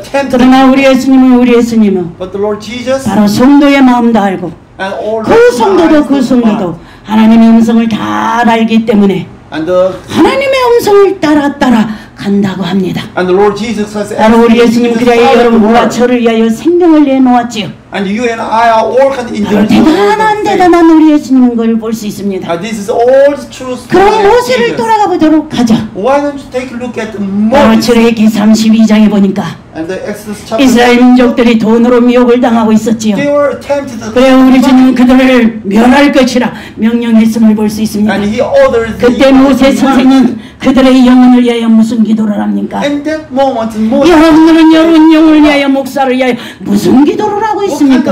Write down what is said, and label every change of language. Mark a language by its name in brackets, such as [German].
[Korean] 그러나 우리 예수님은 바로 성도의 마음도 알고 그 성도도 하나님의 음성을 다 알기 때문에 하나님의 음성을 따라 간다고 합니다. [English] And the Lord Jesus has asked. [Korean] 바로 우리 예수님 그리하여 여러분과 저를 위하여 생명을 내놓았지요. [English] And you and I are all kind in the world. [Korean] 대단한 우리 예수님인 걸 볼 수 있습니다. [English] And this is all the truth. [Korean] 그럼 모세를 돌아가 보도록 하자. [English] Why don't you take a look at Moses? [Korean] 출애굽기 32장에 보니까 [English] And the Exodus chapter. [Korean] 이스라엘 민족들이 돈으로 미혹을 당하고 있었지요. [English] They were tempted. [Korean] 그래 우리 주님 그들을 멸할 것이라 명령했음을 볼 수 있습니다. [English] And he ordered. [Korean] 그때 모세 선생은 그들의 영혼을 위하여 무슨 기도를 합니까? [English] And that moment, Moses, [Korean] 여러분들은 여러분 영혼을 위하여 목사를 위하여 무슨 기도를 하고 있습니까?